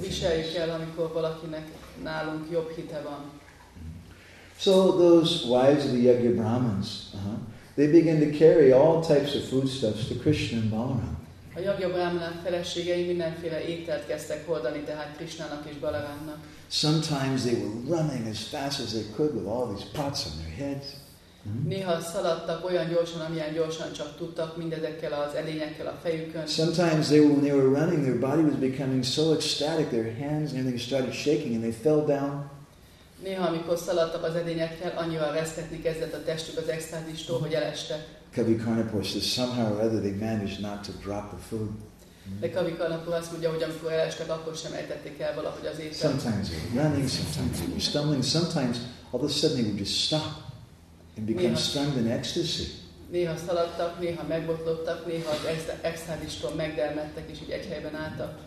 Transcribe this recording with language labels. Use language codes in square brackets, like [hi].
[hu] Viseljük el, amikor valakinek nálunk jobb hite van. [en] So those wives of the Yajna Brahmins, they begin to carry all types of foodstuffs to Krishna and Balaram. [hu] A Yajna Brahmana feleségei mindenféle ételt kezdtek hordani, tehát Krishnának és Balarámnak. [en] Sometimes they were running as fast as they could with all these pots on their heads. [hu] Néha szaladtak olyan gyorsan, amilyen gyorsan csak tudtak, mindezekkel az edényekkel a fejükön. [en] Sometimes they, when they were running, their body was becoming so ecstatic, their hands and everything started shaking and they fell down. [hu] Néha, amikor szaladtak az edényekkel, annyira reszketni kezdett a testük az extázistól, hogy elestek. [en] Kavi Karnapur says somehow or other they managed not to drop the food. [hu] De Kavi Karnapur azt mondja, hogy amikor elestek, akkor sem ejtették el valahogy az ételt. [en] Sometimes they were running, sometimes they were stumbling, sometimes all of a sudden they would just stop and become stunned in ecstasy. [hu] Néha szaladtak, néha megbotlottak, néha az extázistól megdermedtek, és így egy helyben álltak.